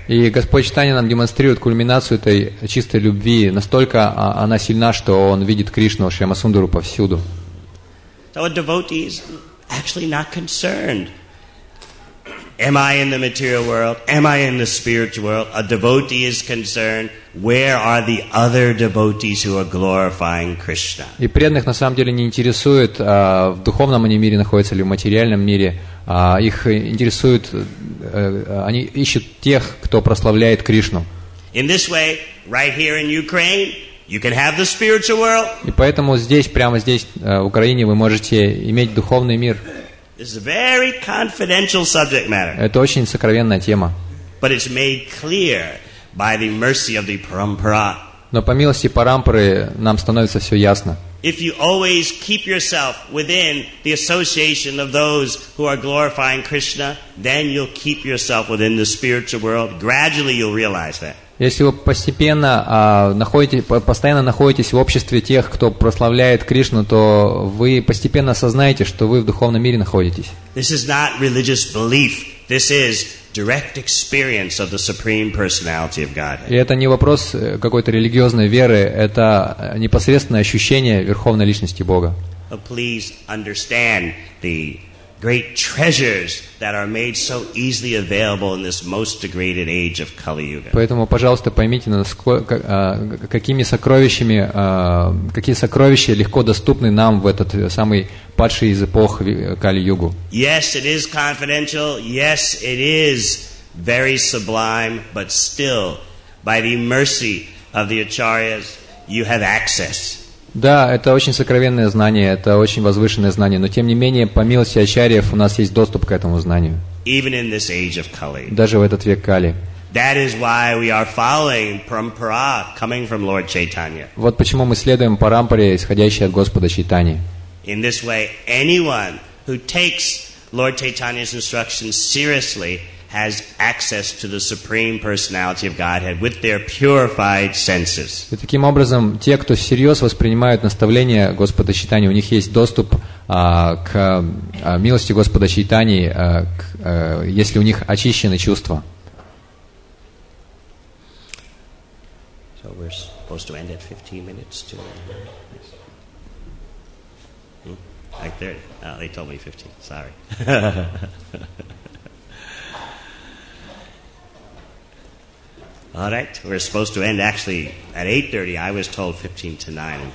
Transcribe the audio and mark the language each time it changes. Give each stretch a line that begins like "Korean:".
Russian: И Господь Чайтанья нам демонстрирует кульминацию этой чистой любви. Настолько она сильна, что он видит Кришну, Шьямасундару повсюду.
English: So a devotee is actually not concerned. Am I in the material world? Am I in the spiritual world? A devotee is concerned. Where are the other devotees who are glorifying Krishna?
Russian: И преданных на самом деле не интересует, в духовном они мире находятся или в материальном мире. Их интересует, они ищут тех, кто прославляет Кришну.
English: In this way, right here in Ukraine, you can have the spiritual world.
Russian: И поэтому здесь, прямо здесь, в Украине, вы можете иметь духовный мир.
English: This is a very confidential subject matter.
Russian: Это очень сокровенная тема.
English: But it's made clear by the mercy of the parampara.
Russian: Но по милости парампары нам становится все ясно.
English: If you always keep yourself within the association of those who are glorifying Krishna, then you'll keep yourself within the spiritual world. Gradually you'll realize that.
Russian: Если вы постепенно постоянно находитесь в обществе тех, кто прославляет Кришну, то вы постепенно осознаете, что вы в духовном мире находитесь.
English: This is not religious belief. This is direct experience of the Supreme Personality of Godhead.
Russian: И это не вопрос какой-то религиозной веры, это непосредственное ощущение Верховной Личности Бога.
English: Please understand the great treasures that are made so easily available in this most degraded age of Kali Yuga.
Russian: Поэтому, пожалуйста, поймите, какими сокровищами, какие сокровища легко доступны нам в этот самый падший из эпох Кали Югу.
English: Yes, it is confidential. Yes, it is very sublime. But still, by the mercy of the acharyas, you have access.
Russian: Да, это очень сокровенное знание, это очень возвышенное знание, но тем не менее, по милости ачарьев, у нас есть доступ к этому знанию.
English: Even in this age of Kali.
Russian: Даже в этот век Кали.
English: That is why we are following parampara coming from Lord Chaitanya.
Russian: Вот почему мы следуем парампаре, исходящей от Господа Чайтани.
English: In this way, anyone who takes Lord Chaitanya's instructions seriously has access to the supreme personality of Godhead with their purified senses.
Russian: И таким образом, те, кто всерьез воспринимают наставления Господа Чайтани, у них есть доступ к милости Господа Чайтани, если у них очищены чувства.
English: So we're supposed to end at 15 minutes to like 30. Oh, they told me 15. Sorry. All right, we're supposed to end actually at 8:30. I was told 15 to 9.